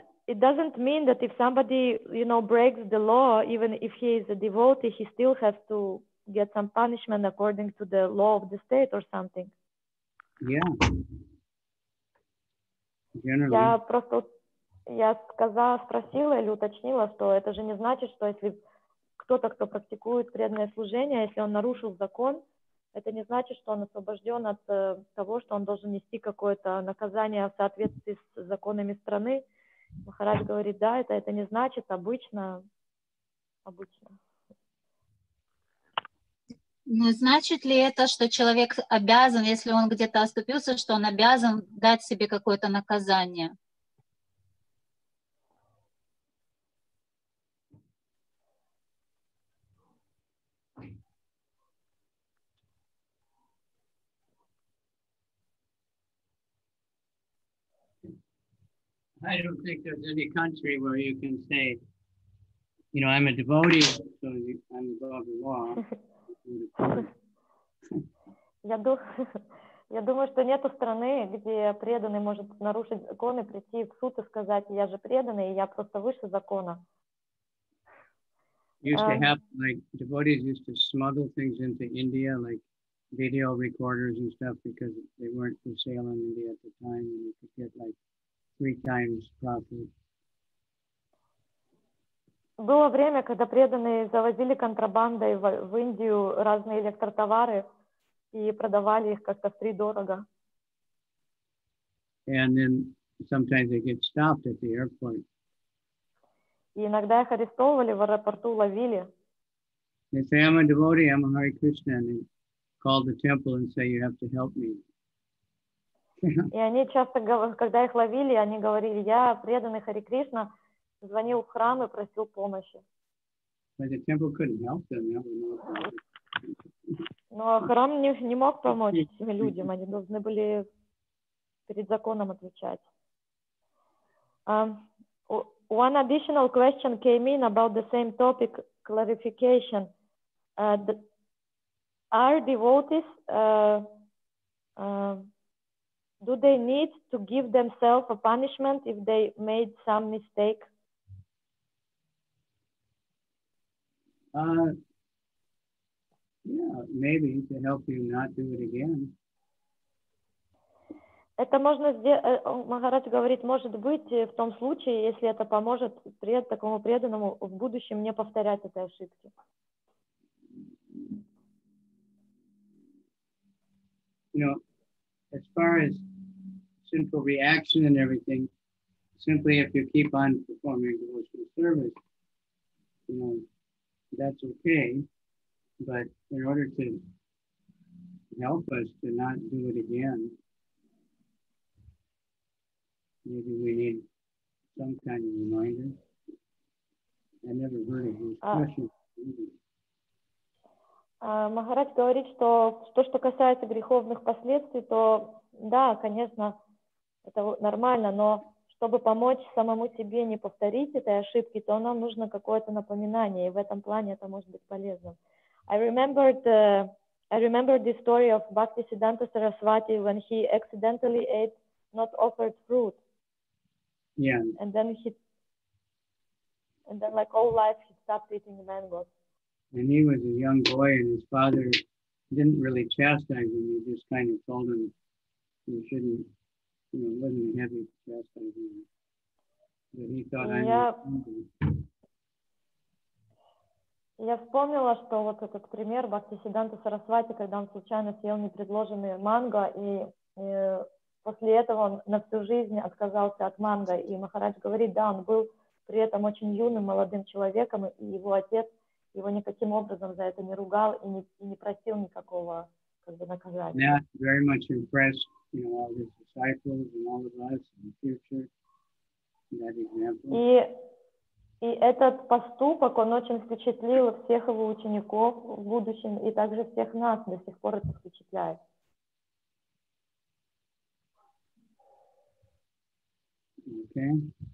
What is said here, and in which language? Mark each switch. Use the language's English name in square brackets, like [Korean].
[English] It doesn't mean that if somebody, you know, breaks the law, even if he is a devotee, he still has to get some punishment according to the law of the state or something. Yeah. Generally. [Russian] Я просто спросила или уточнила, что это же не значит, что если кто-то, кто практикует преданное служение, если он нарушил закон, это не значит, что он освобожден от того, что он должен нести какое-то наказание в соответствии с законами страны. Махарадж говорит, да, это не значит обычно. Ну, значит ли это, что человек обязан, если он где-то оступился, что он обязан дать себе какое-то наказание? [English] I don't think there's any country where you can say, you know, I'm a devotee, so I'm above the law. [Russian] Я думаю, что нету страны, где преданный может нарушить закон и прийти в суд и сказать, я же преданный, я просто выше закона. [English] Used to have, like, devotees used to smuggle things into India, like video recorders and stuff, because they weren't for sale in India at the time, and you could get, like, three times profit. [Russian] Было время, когда преданные завозили контрабандой в Индию разные электротовары и продавали их как-то втридорога. [English] And then sometimes they get stopped at the airport. [Russian] И иногда их арестовывали в аэропорту, ловили. [English] They say, I'm a devotee, I'm a Hare Krishna, and they call the temple and say, you have to help me. [Russian] И они часто, когда их ловили, они говорили, я преданный Хари Кришна, звонил в храм и просил помощи. [English] But the temple couldn't help them. That was not the [Russian] Но храм не мог помочь этим людям, они должны были перед законом отвечать. [English] One additional question came in about the same topic, clarification. Are devotees... Do they need to give themselves a punishment if they made some mistake? Yeah, maybe to help you not do it again. [Russian] Это можно сделать, Махарадж говорит, может быть, в том случае, если это поможет такому преданному в будущем не повторять этой ошибки. [English] You know, as far as sinful reaction and everything, simply if you keep on performing devotional service, you know, that's okay. But in order to help us to not do it again, maybe we need some kind of reminder. I never heard of those questions. [Russian] Махарадж говорит, что то, что касается греховных последствий, то да, конечно, это нормально, но чтобы помочь самому себе не повторить этой ошибки, то нам нужно какое-то напоминание, и в этом плане это может быть полезным. [English] I remembered the story of Bhaktisiddhanta Sarasvati when he accidentally ate not offered fruit. Yeah. And then like all life he stopped eating mangoes. And he was a young boy, and his father didn't really chastise him. He just kind of told him he shouldn't, you know, wasn't a heavy chastising him. But he thought, I'm hungry. [Russian] Я вспомнила, что вот этот пример Бхактисиддханта Сарасвати, когда он случайно съел непредложенные манго, и после этого он на всю жизнь отказался от манго. И Махарадж говорит, да, он был при этом очень юным, молодым человеком, и его отец его никаким образом за это не ругал и не просил никакого как бы наказания. [English] Yeah, very much impressed, you know, all his disciples and all of us in the future, that example. [Russian] И этот поступок, он очень впечатлил всех его учеников в будущем и также всех нас до сих пор это впечатляет. [English] Okay.